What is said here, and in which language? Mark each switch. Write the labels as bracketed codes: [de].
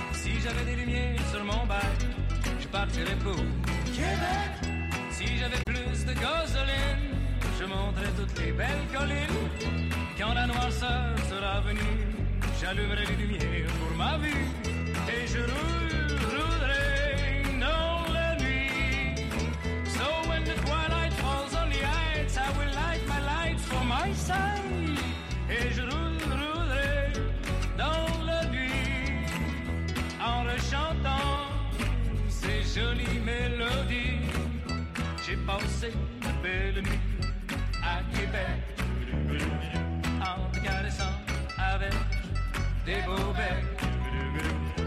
[fr] Si j'avais des lumières sur mon bac, je partirais pour Québec. Si j'avais plus de gasoline, je monterais toutes les belles collines. Quand la noirceur sera venue, j'allumerai les lumières pour ma vue. Et je roulerai dans la nuit. [en] So when the twilight falls on the heights, I will light my lights for my sight. [fr] Et je roulerai dans la nuit en rechantant ces jolies mélodies. J'ai passé une belle nuit à Québec, en te caressant avec des beaux becs.